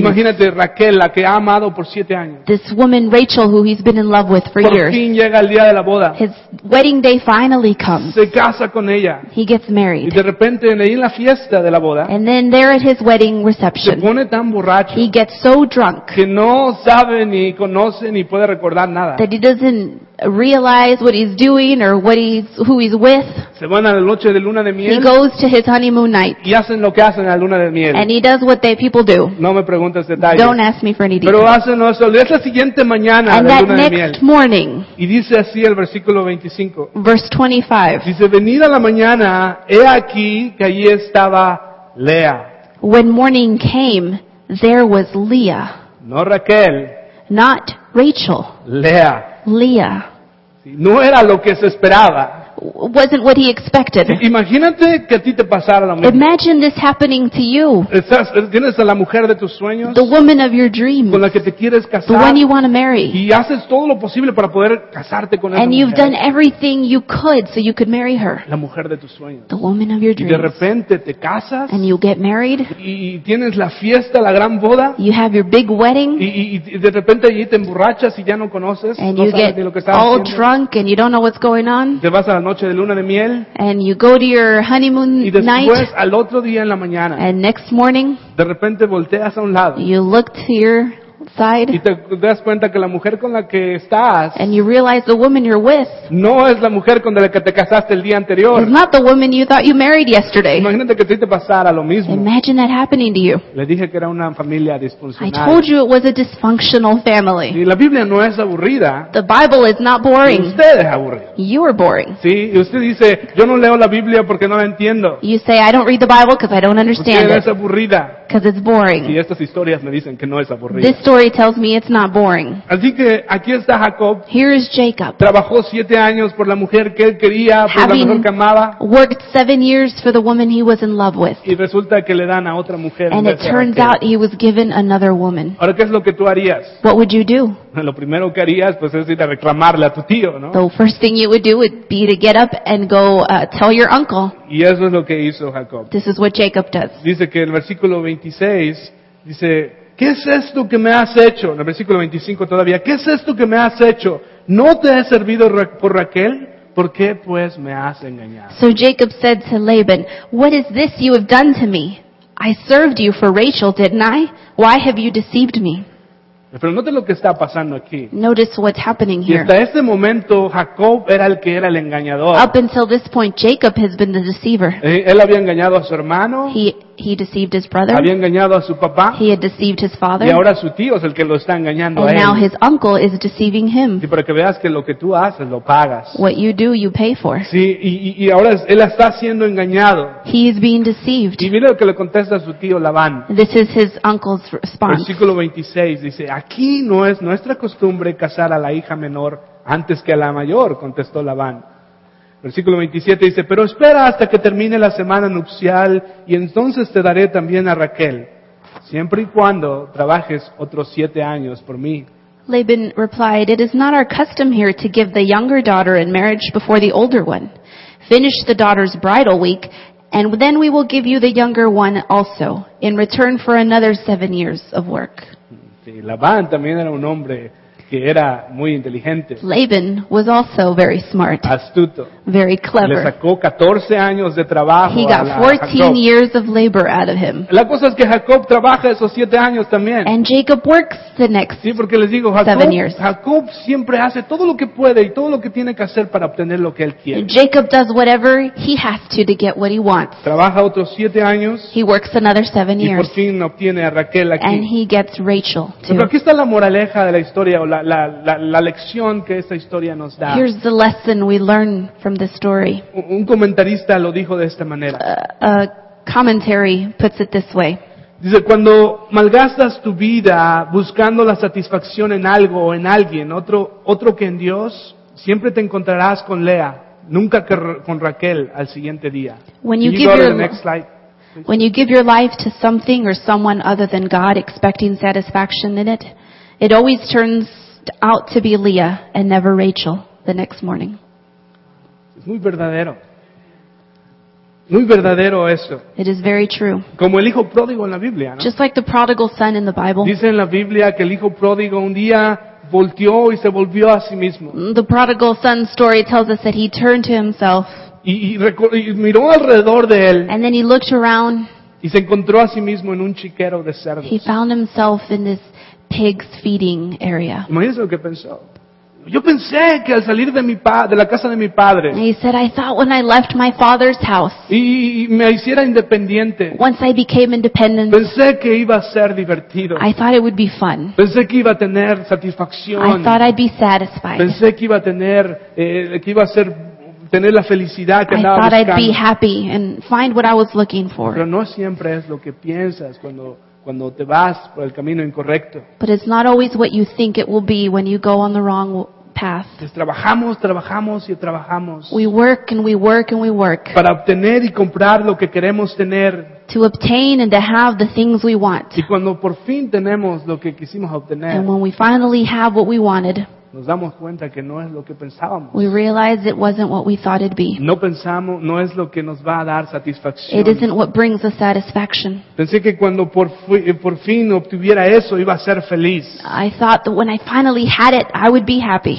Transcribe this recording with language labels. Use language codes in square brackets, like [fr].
[es] Imagínate Raquel, la que ha amado por 7 años. [en] This woman Rachel, who he's been in love with for years. [es] Por fin llega el día de la boda. [en] His wedding day finally comes. [es] Se casa con ella. [en] He gets married. [es] Y de repente ahí en la fiesta de la boda. [en] And then there at his wedding reception. [es] Se pone tan borracho. [en] He gets so drunk. [es] Que no sabe ni conoce ni puede recordar nada. [en] That he doesn't realize what he's doing or who he's with. [es] Se van a la noche de luna de miel. [en] He goes to his honeymoon night. [es] Y hacen lo que hacen a la luna de miel. [en] And he does what they people do. [es] No me preguntes detalles. [en] Don't ask me for any details. [es] Pero hacen eso. Es la siguiente mañana [en] and [es] de [en] that [es] luna [en] next [es] de miel. [en] Morning. [es] Y dice así el versículo 25. [en] Verse 25. [es] Dice, venida la mañana, he aquí que allí estaba Lea. [en] When morning came, there was Leah. [es] No Raquel. [en] Not Rachel. [es] Lea. [en] Leah. [es] No era lo que se esperaba. [en] Wasn't what he expected. [es] Imagínate que a ti te pasara lo mismo. [en] Imagine this happening to you. [es] Estás, tienes a la mujer de tus sueños. [en] The woman of your dreams. [es] Con la que te quieres casar. [en] The one you want to marry. [es] Y haces todo lo posible para poder casarte con esa [en] And you've [es] mujer. [en] Done everything you could so you could marry her. [es] La mujer de tus sueños. [en] The woman of your dreams. [es] Y de repente te casas. [en] And you get married. [es] Y tienes la fiesta, la gran boda. [en] You have your big wedding. [es] Y de repente allí te emborrachas y ya no conoces. [en] And [es] no [en] you [es] sabes [en] get [es] ni lo que estás [en] all [es] haciendo. [en] Drunk and you don't know what's going on. [es] Te vas a la noche de luna de miel. [en] And you go to your honeymoon [es] y después, [en] night. [es] Y después al otro día en la mañana. [en] And next morning. [es] De repente volteas a un lado. [en] You look to your side. [es] Y te das cuenta que la mujer con la que estás. [en] And you realize the woman you're with. [es] No es la mujer con la que te casaste el día anterior. [en] It's not the woman you thought you married yesterday. [es] Imagínate que te pasara lo mismo. [en] Imagine that happening to you. [es] Le dije que era una familia disfuncional. [en] I told you it was a dysfunctional family. [es] Y la Biblia no es aburrida. [en] The Bible is not boring. [es] Usted es aburrido. [en] You are boring. [es] Sí, y usted dice, yo no leo la Biblia porque no la entiendo. [en] You say I don't read the Bible because I don't understand [es] usted [en] it. [es] Usted es aburrida. [en] Because it's boring. [es] Y estas historias me dicen que no es aburrida. [en] This story tells me it's not boring. [es] Así que aquí está Jacob. [en] Here is Jacob. [es] Trabajó 7 años por la mujer que él quería, por la mujer que amaba. [en] Worked 7 years for the woman he was in love with. [es] Y resulta que le dan a otra mujer. [en] And it turns out he was given another woman. [es] Ahora, ¿qué es lo que tú harías? [en] What would you do? [es] Lo primero que harías pues es ir a reclamarle a tu tío, ¿no? [en] The first thing you would do would be to get up and go tell your uncle. [es] Y eso es lo que hizo Jacob. [en] This is what Jacob does. [es] Dice que el versículo 26 dice, ¿qué es esto que me has hecho? En el versículo 25 todavía, ¿qué es esto que me has hecho? ¿No te he servido por Raquel? ¿Por qué pues me has engañado? [en] So Jacob said to Laban, what is this you have done to me? I served you for Rachel, didn't I? Why have you deceived me? [es] Pero note lo que está pasando aquí. [en] Notice what's happening here. [es] Y hasta este momento Jacob era el que era el engañador. [en] Up until this point, Jacob has been the deceiver. [es] Él había engañado a su hermano. [en] He deceived his brother. [es] Había engañado a su papá. [en] He had deceived his father. [es] Y ahora su tío es el que lo está engañando [en] and [es] a él. [en] And now his uncle is deceiving him. [es] Y para que veas que lo que tú haces lo pagas. [en] What you do, you pay for. [es] Sí, y ahora él está siendo engañado. [en] He is being deceived. [es] Y mira lo que le contesta a su tío Labán. [en] This is his uncle's response. [es] Versículo 26 dice, aquí no es nuestra costumbre casar a la hija menor antes que a la mayor, contestó Labán. Versículo 27 dice, pero espera hasta que termine la semana nupcial y entonces te daré también a Raquel, siempre y cuando trabajes otros 7 años por mí. [en] Laban replied, it is not our custom here to give the younger daughter in marriage before the older one. Finish the daughter's bridal week and then we will give you the younger one also in return for another 7 years of work. [es] Sí, Labán también era un hombre que era muy inteligente. [en] Laban was also very smart. [es] Astuto. [en] Very clever. [es] Le sacó 14 años de trabajo. [en] He got 14 years of labor out of him. [es] La cosa es que Jacob trabaja esos 7 años también. [en] And Jacob works the next 7 years. [es] Sí, porque les digo, Jacob siempre hace todo lo que puede y todo lo que tiene que hacer para obtener lo que él quiere. [en] Jacob does whatever he has to get what he wants. [es] Trabaja otros 7 años. [en] He works another 7 years. [es] Y por fin obtiene a Raquel aquí. [en] And he gets Rachel too. [es] Pero aquí está la moraleja de la historia. La lección que esta historia nos da. [en] Here's the lesson we learn from this story. [es] Un comentarista lo dijo de esta manera. [en] A commentary puts it this way. [es] Dice, cuando malgastas tu vida buscando la satisfacción en algo o en alguien, otro que en Dios, siempre te encontrarás con Lea, nunca que con Raquel al siguiente día. [en] When you give your next slide. When you give your life to something or someone other than God expecting satisfaction in it, it always turns out to be Leah and never Rachel. the next morning. [es] Es muy verdadero. Muy verdadero eso. [en] It is very true. [es] Como el hijo pródigo en la Biblia, ¿no? [en] Just like the prodigal son in the Bible. [es] Dice en la Biblia que el hijo pródigo un día volteó y se volvió a sí mismo. [en] The prodigal son story tells us that he turned to himself. [es] Y miró alrededor de él. [en] And then he looked around. [es] Y se encontró a sí mismo en un chiquero de cerdos. [en] He found himself in this pig's feeding area. [es] Imagínese lo que pensó. Yo pensé que al salir de la casa de mi padre. [en] He said, I thought when I left my father's house. [es] Y me hiciera independiente. [en] Once I became independent. [es] Pensé que iba a ser divertido. [en] I thought it would be fun. [es] Pensé que iba a tener satisfacción. [en] I thought I'd be satisfied. [es] Pensé que iba a tener la felicidad que andaba buscando. [en] I thought I'd be happy and find what I was looking for. [es] Pero no siempre es lo que piensas cuando te vas por el camino incorrecto. [en] But it's not always what you think it will be when you go on the wrong path. [es] Pues trabajamos, trabajamos y trabajamos. [en] We work and we work and we work. [es] Para obtener y comprar lo que queremos tener. [en] To obtain and to have the things we want. [es] Y cuando por fin tenemos lo que quisimos obtener. [en] And when we finally have what we wanted. [es] Nos damos cuenta que no es lo que pensábamos. [en] We realize it wasn't what we thought it'd be. [es] No pensamos, no es lo que nos va a dar satisfacción. [en] It isn't what brings us satisfaction. [es] Pensé que cuando por fin obtuviera eso iba a ser feliz. [en] I thought that when I finally had it, I would be happy.